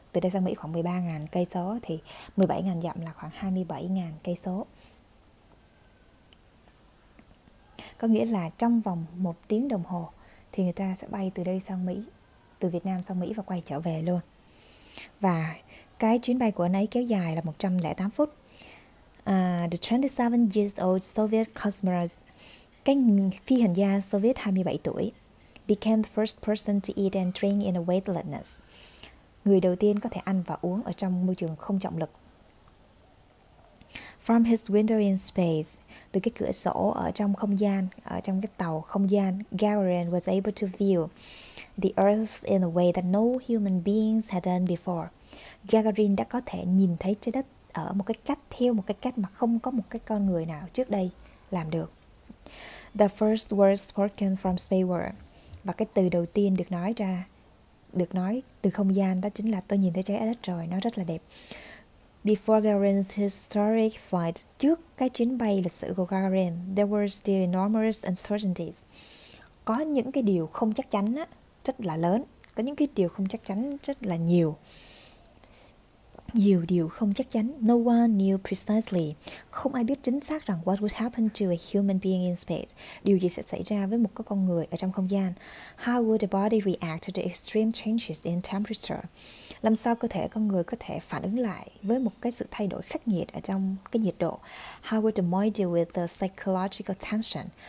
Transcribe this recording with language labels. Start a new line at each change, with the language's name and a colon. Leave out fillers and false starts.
Vietnamese: Từ đây sang Mỹ khoảng 13.000 cây số thì 17.000 dặm là khoảng 27.000 cây số. Có nghĩa là trong vòng 1 tiếng đồng hồ thì người ta sẽ bay từ đây sang Mỹ, từ Việt Nam sang Mỹ và quay trở về luôn. Và cái chuyến bay của anh ấy kéo dài là 108 phút.
English: The 27 years old Soviet cosmonaut,
Vietnamese: cái phi hành gia Soviet 27 tuổi,
English: became the first person to eat and drink in a weightlessness.
Vietnamese: Người đầu tiên có thể ăn và uống ở trong môi trường không trọng lực.
English: From his window in space,
Vietnamese: từ cái cửa sổ ở trong không gian,
English: ở trong cái tàu không gian, Gagarin was able to view the Earth in a way that no human beings had done before.
Vietnamese: Gagarin đã có thể nhìn thấy trái đất ở một cái cách, theo một cái cách mà không có một cái con người nào trước đây làm được.
English: The first words spoken from space were,
Vietnamese: và cái từ đầu tiên được nói ra, được nói từ không gian, đó chính là tôi nhìn thấy trái đất rồi, nó rất là đẹp.
English: Before Gagarin's historic flight,
Vietnamese: trước cái chuyến bay lịch sử của Gagarin,
English: there were still enormous uncertainties.
Vietnamese: Có những cái điều không chắc chắn á, rất là lớn. Có những cái điều không chắc chắn rất là nhiều. Nhiều điều không chắc chắn.
English: No one knew precisely.
Vietnamese: Không ai biết chính xác rằng
English: what would happen to a human being in space.
Vietnamese: Điều gì sẽ xảy ra với một con người ở trong không gian.
English: How would the body react to the extreme changes in temperature?
Vietnamese: Làm sao cơ thể con người có thể phản ứng lại với một cái sự thay đổi khắc nghiệt ở trong cái nhiệt độ?
English: How would the mind deal with the psychological tension?